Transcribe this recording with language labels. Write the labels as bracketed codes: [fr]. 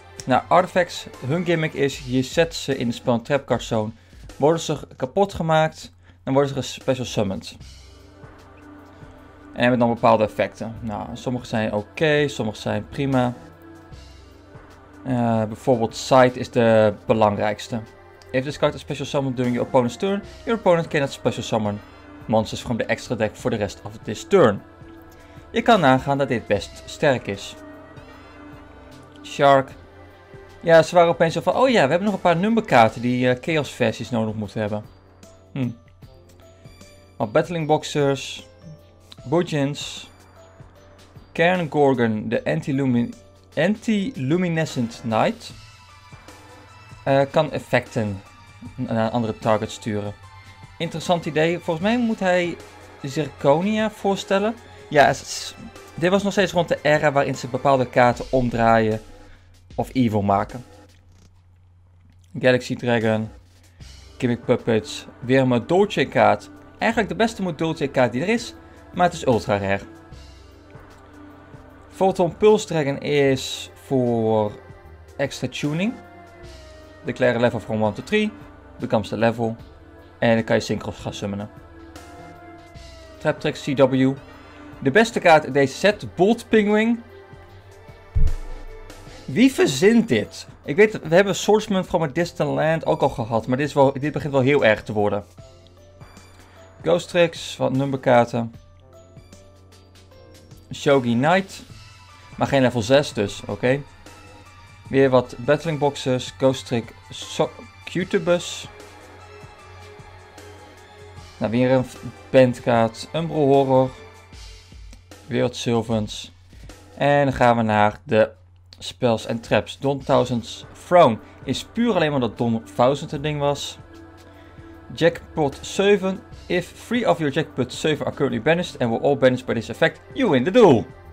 [nl] Nou, artifacts, hun gimmick is, je zet ze in de spel een trapcard zone. Worden ze kapot gemaakt, dan worden ze special summoned. En hebben dan bepaalde effecten. Nou, sommige zijn oké, sommige zijn prima. Bijvoorbeeld Sight is de belangrijkste. [en] If this card is special summoned during your opponent's turn, your opponent cannot special summon monsters from the extra deck for the rest of this turn. [nl] Je kan nagaan dat dit best sterk is. Shark. Ja, ze waren opeens zo van, oh ja, we hebben nog een paar nummerkaarten die Chaos versies nodig moeten hebben. Maar Battling Boxers, Bujins, Cairn Gorgon, de Anti-Luminescent Knight, kan effecten naar andere targets sturen. Interessant idee, volgens mij moet hij Zirconia voorstellen. Ja, dit was nog steeds rond de era waarin ze bepaalde kaarten omdraaien of evil maken. Galaxy Dragon, Gimmick Puppets, weer een Dolce kaart. eigenlijk de beste Dolce kaart die er is, maar het is ultra rare. Photon Pulse Dragon is voor extra tuning. [en] Declare a level from 1 to 3, becomes the level. [nl] En dan kan je Synchros gaan summonen. Trap Trick CW. De beste kaart in deze set, Bolt Pinguin. Wie verzint dit? Ik weet, we hebben Swordsman from a Distant Land ook al gehad, maar dit begint wel heel erg te worden. Ghost Tricks, wat nummerkaarten. Shogi Knight. Maar geen level 6 dus, oké. Okay. Weer wat Battling Boxes, Ghost Trick Cutibus. Nou, weer een bandkaart, Umbral Horror, Wereld Sylvans. En dan gaan we naar de spells en traps. Don Thousand's Throne is puur alleen omdat Don Thousand een ding was. Jackpot 7. [en] If 3 of your Jackpot 7 are currently banished and were all banished by this effect, you win the duel.